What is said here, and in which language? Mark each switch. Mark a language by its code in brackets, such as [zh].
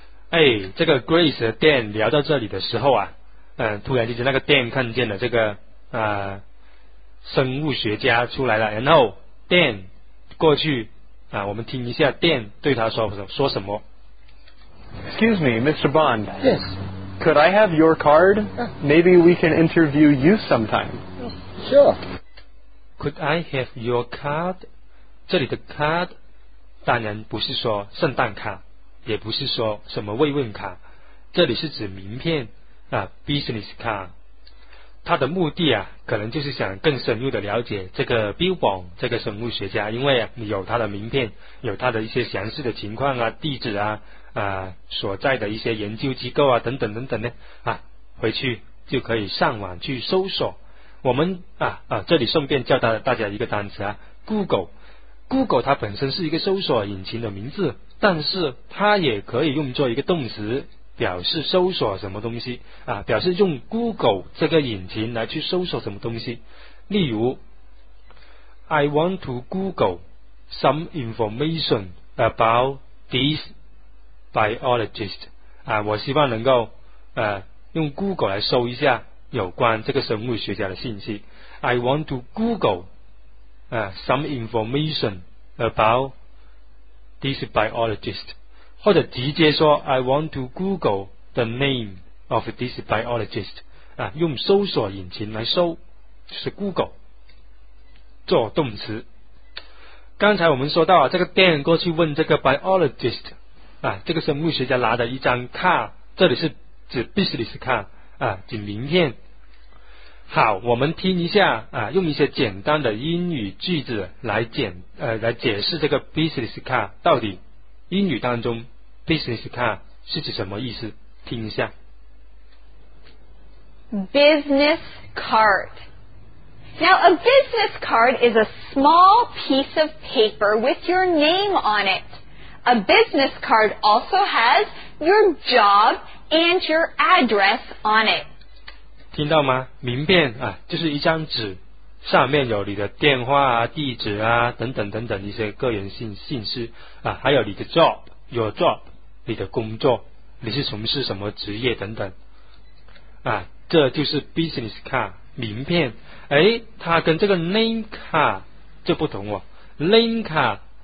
[zh] 哎，这个 Grace 和 Dan 聊到这里的时候啊，突然就是那个 Dan 看见了这个生物学家出来了，然后 Dan 过去啊，我们听一下 Dan 对他说什么。 [en] Excuse me, Mr. Bond. Yes. Could I have your card? Maybe we can interview you sometime. Sure. Could I have your card? [zh] 这里的 card 当然不是说圣诞卡，也不是说什么慰问卡，这里是指名片啊 ，business card。他的目的啊，可能就是想更深入的了解这个 Bill Bond 这个生物学家，因为、啊、有他的名片，有他的一些详细的情况啊、地址啊。所在的一些研究机构啊等等等等呢啊，回去就可以上网去搜索。我们这里顺便教大家一个单词啊， Google 它本身是一个搜索引擎的名字，但是它也可以用作一个动词，表示搜索什么东西啊，表示用 Google 这个引擎来去搜索什么东西。例如 [en] I want to Google some information about thisbiologist [zh] 啊，我希望能够用 Google 来搜一下有关这个生物学家的信息。 [en] I want to Google some information about this biologist， [zh] 或者直接说 [en] I want to Google the name of this biologist 啊， [zh] 用搜索引擎来搜，就是 Google 做动词。刚才我们说到啊，这个 Dan 过去问这个 biologist。啊，这个生物学家拿的一张卡，这里是指 business 卡啊，指名片。好，我们听一下啊，用一些简单的英语句子来解释这个 business 卡到底英语当中 business 卡是指什么意思？听一下 [en] ，business card。 Now a business card is a small piece of paper with your name on it. A business card also has your job and your address on it. [zh] 听到吗？名片啊，就是一张纸，上面有你的电话啊、地址啊等等等等一些个人信息啊，还有你的 job， 你的工作，你是从事什么职业等等。啊，这就是 business card 名片。哎，它跟这个 name card 就不同哦 ，name card。